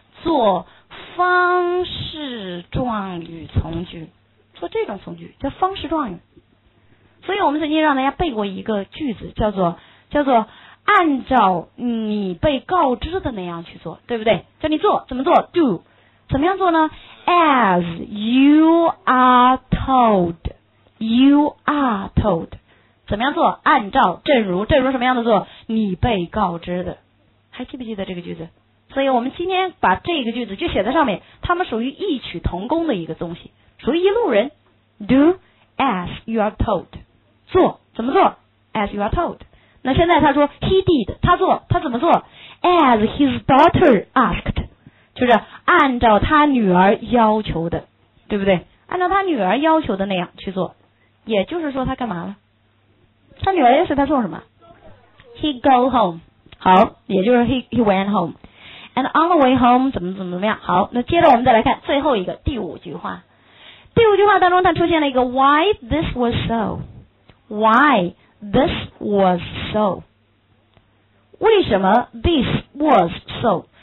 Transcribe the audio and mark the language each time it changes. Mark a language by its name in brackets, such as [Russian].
[Chinese] 做方式状语从句，做这种从句叫方式状语。所以我们曾经让大家背过一个句子，叫做按照你被告知的那样去做，对不对？叫你做怎么做 do。怎么样做呢？ [English] As you are told, you are told, [Chinese] 怎么样做？按照，正如什么样的做？你被告知的。还记不记得这个句子？所以我们今天把这个句子就写在上面，他们属于异曲同工的一个东西，属于一路人。 [English] Do as you are told, [Chinese] 做怎么做？ [English] As you are told。 [Chinese] 那现在他说 [English] He did, [Chinese] 他做，他怎么做？ [English] As his daughter asked, [Chinese] 就是按照他女儿要求的，对不对？按照他女儿要求的那样去做，也就是说他干嘛了？他女儿要求他做什么？ [English] He go home, [Chinese] 好，也就是 [English] he went home. And on the way home, [Chinese] 怎么样，好，那接着我们再来看最后一个，第五句话当中，他出现了一个 [English] why this was so, [Chinese] 为什么 [English] this was so?